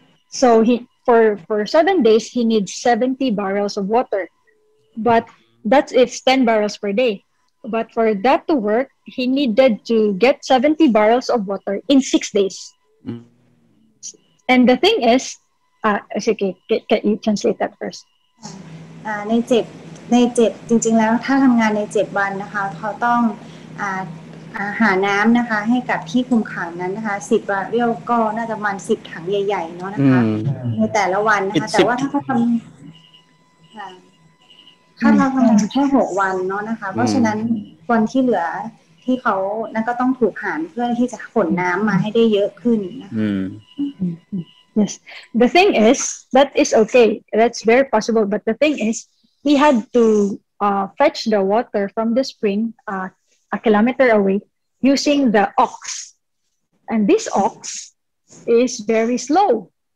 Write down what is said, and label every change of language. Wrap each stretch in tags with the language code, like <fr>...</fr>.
<en>so he for 7 days he needs 70 barrels of water but that's if 10 barrels per day but for that to work he needed to get 70 barrels of water in 6 days and the thing isokay. Can you translate that first?</en> <th>ในเจ็บจริงๆแล้วถ้าทำงานในเจ็บวันนะคะเขาต้องหาน้ำนะคะให้กับที่คุมขังนั้นนะคะสิบบาร์เรลก็น่าจะประมาณ10ถังใหญ่ๆเนาะนะคะในแต่ละวันนะคะแต่ว่าถ้าเขาทำงานแค่6วันเนาะนะคะเพราะฉะนั้นวันที่เหลือที่เขานั่นก็ต้องถูกหารเพื่อที่จะขนน้ำมาให้ได้เยอะขึ้นนะคะ</th> <en>Yes. The thing is, that is okay. That's very possible. But the thing is, he had to fetch the water from the spring a kilometer away using the ox. And this ox is very slow.</en>